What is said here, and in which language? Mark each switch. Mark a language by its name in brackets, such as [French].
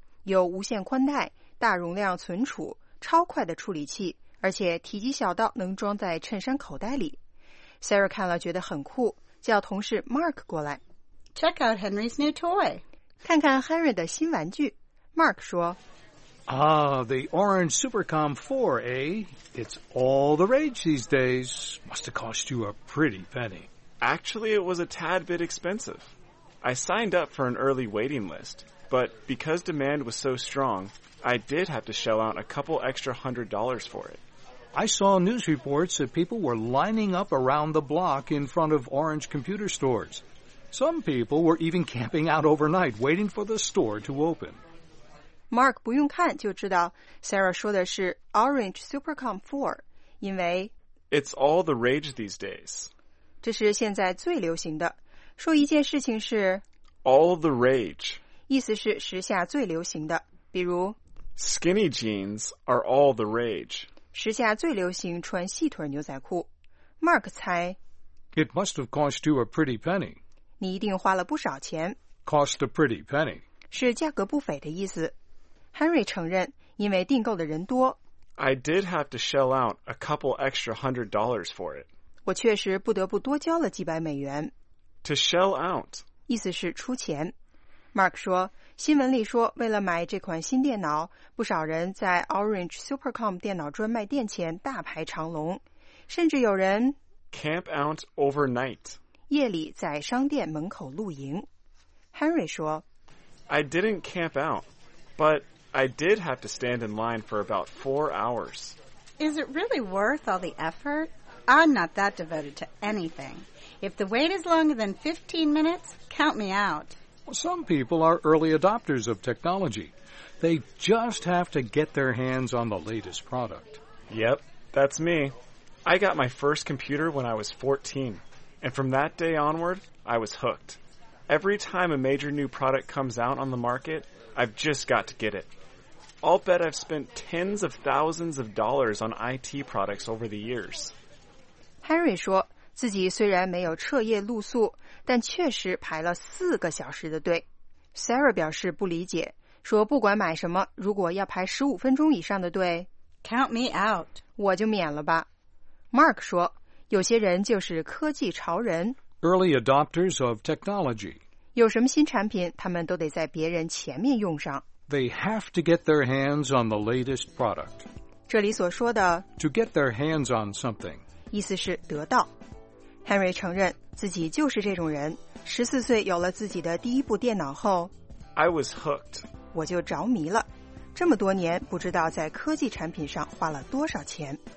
[Chinese] 有无线宽带，大容量存储，超快的处理器。而且体积小到能装在衬衫口袋里。Sarah 看了觉得很酷，叫同事 Mark 过来。 [English] Check out Henry's new toy. [Chinese] 看看 Henry 的新玩具。 Mark 说 [English] Ah, the orange Supercom 4, eh? It's all the rage these days. Must have cost you a pretty penny. Actually, it was a tad bit expensive. I signed up for an early waiting list, but because demand was so strongI did have to shell out a couple extra $100 for it. I saw news reports that people were lining up around the block in front of orange computer stores. Some people were even camping out overnight, waiting for the store to open. [Chinese] Mark 不用看就知道 Sarah 说的是 Orange Supercom 4, 因为 [English] It's all the rage these days. [Chinese] 这是现在最流行的。说一件事情是 [English] All the rage. [Chinese] 意思是时下最流行的。比如 [English] Skinny jeans are all the rage. [Chinese] 时下最流行穿细腿牛仔裤。 Mark 猜 [English] It must have cost you a pretty penny. [Chinese] 你一定花了不少钱。 [English] Cost a pretty penny. [Chinese] 是价格不菲的意思。 Henry 承认因为订购的人多。 [English] I did have to shell out a couple extra $100 for it. [Chinese] 我确实不得不多交了几百美元。 [English] To shell out. [Chinese] 意思是出钱。 Mark 说新闻里说为了买这款新电脑不少人在 Orange Supercom 电脑专卖店前大排长龙甚至有人 [English] Camp out overnight [Chinese] 夜里在商店门口露营 Henry 说 [English] I didn't camp out but I did have to stand in line for about 4 hours Is it really worth all the effort? I'm not that devoted to anything If the wait is longer than 15 minutes count me out Some people are early adopters of technology. They just have to get their hands on the latest product. Yep, that's me. I got my first computer when I was 14. And from that day onward, I was hooked. Every time a major new product comes out on the market, I've just got to get it. I'll bet I've spent tens of thousands of dollars on IT products over the years. [Chinese] Henry 说自己虽然没有彻夜露宿，但确实排了四个小时的队。 Sarah 表示不理解，说不管买什么，如果要排15分钟以上的队 [English] ，Count me out， [Chinese] 我就免了吧。 Mark 说，有些人就是科技潮人 [English] ，Early adopters of technology， [Chinese] 有什么新产品，他们都得在别人前面用上。 [English] They have to get their hands on the latest product。 [Chinese] 这里所说的 [English] to get their hands on something， [Chinese] 意思是得到。 Henry 承认自己就是这种人。14岁有了自己的第一部电脑后 [English] ，I was hooked， [Chinese] 我就着迷了。这么多年，不知道在科技产品上花了多少钱。